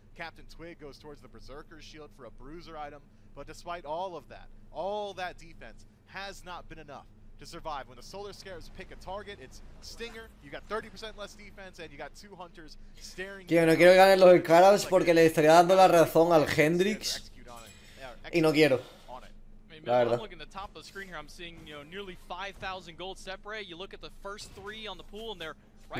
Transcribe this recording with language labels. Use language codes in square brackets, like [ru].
[en] Captain Twig goes towards the Berserker's shield for a bruiser item, but despite all that defense has not been enough. To survive when the Solar Scarabs pick a target, it's Stinger. You got 30% less defense, and you got two hunters staring. [es] Tío, no quiero ganar los Scarabs porque le estaría dando la razón al Hendrix. Y no quiero. La verdad. [en] I'm looking at the top of the screen here. I'm seeing, you know, nearly 5,000 gold separate. You look at the first three on the pool, and they're right.